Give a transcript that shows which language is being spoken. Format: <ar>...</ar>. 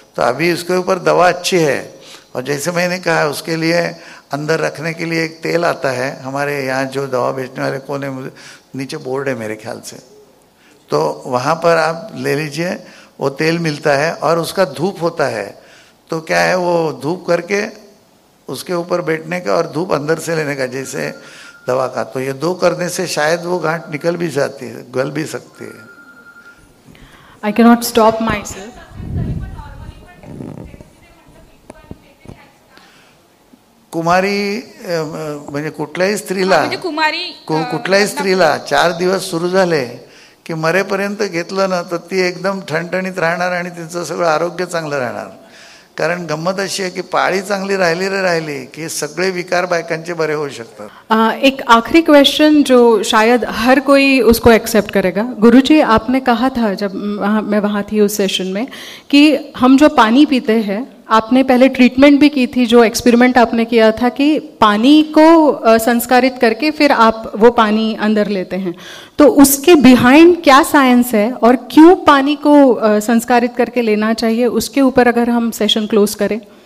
<hi>तो अभी उसके ऊपर दवा अच्छी है, और जैसे मैंने कहा उसके लिए अंदर रखने के लिए एक तेल आता है हमारे यहाँ, जो दवा बेचने वाले कोने नीचे बोर्ड है मेरे ख्याल से, तो वहाँ पर आप ले लीजिए, वो तेल मिलता है और उसका धूप होता है, तो क्या है वो धूप करके उसके ऊपर बैठने का और धूप अंदर से लेने का जैसे दवा का, तो ये दो करने से शायद वो गांठ निकल भी जाती है, गल भी सकती है।</hi> <en>I cannot stop myself.</en> <mr>कुमारी म्हणजे कुठल्याही स्त्रीला, कुठल्याही स्त्रीला 4 दिवस सुरू झाले की मरेपर्यंत घेतलं ना तर ती एकदम ठणठणीत राहणार आणि तिचं सगळं आरोग्य चांगलं राहणार। कारण गंमत अशी आहे की पाळी चांगली राहिली राहिली की सगळे विकार बायकांचे बरे होऊ शकतात।</mr> <hi>एक आखरी क्वेश्चन जो शायद हर कोई उसको एक्सेप्ट करेगा। गुरुजी आपने कहा था जब मैं वहाँ थी उस सेशन में कि हम जो पानी पीते हैं, आपने पहले ट्रीटमेंट भी की थी, जो एक्सपेरिमेंट आपने किया था कि पानी को संस्कारित करके फिर आप वो पानी अंदर लेते हैं, तो उसके बिहाइंड क्या साइंस है और क्यों पानी को संस्कारित करके लेना चाहिए, उसके ऊपर अगर हम सेशन क्लोज करें।</hi>